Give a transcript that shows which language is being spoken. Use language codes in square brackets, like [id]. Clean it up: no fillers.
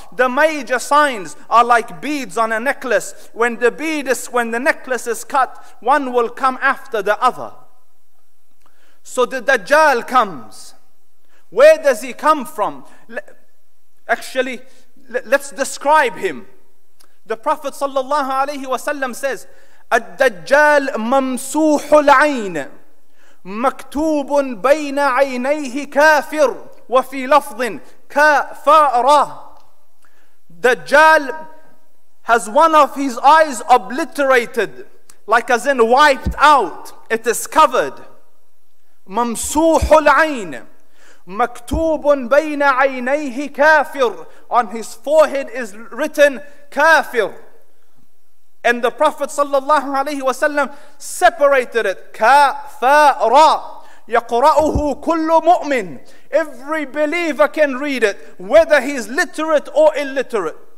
[en] The major signs are like beads on a necklace. When the necklace is cut, one will come after the other. So the Dajjal comes. Where does he come from? Actually, let's describe him. The Prophet sallallahu alayhi wa sallam says, [ar] الدجال ممسوح العين مكتوب بين عينيه كافر وفي لفظ كافر. [en] Dajjal has one of his eyes obliterated, like as in wiped out. It is covered. [ar] ممسوح العين مكتوب بين عينيه كافر. [en] On his forehead is written kafir. And the Prophet sallallahu alayhi wa sallam separated it. [ar] Kafara. يقرأه كل مؤمن. [en] Every believer can read it, whether he's literate or illiterate.